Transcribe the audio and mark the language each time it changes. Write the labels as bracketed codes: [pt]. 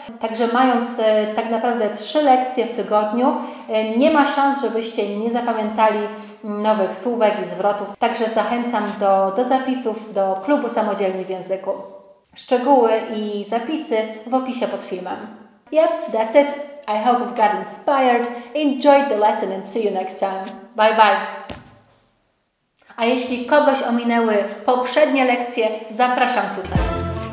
[pl] Także mając tak naprawdę 3 lekcje w tygodniu, nie ma szans, żebyście nie zapamiętali nowych słówek i zwrotów. Także zachęcam do zapisów do Klubu Samodzielni w Języku. Szczegóły i zapisy w opisie pod filmem. [en] Yep, that's it. I hope you've got inspired. Enjoy the lesson and see you next time. Bye bye. [pl] A jeśli kogoś ominęły poprzednie lekcje, zapraszam tutaj.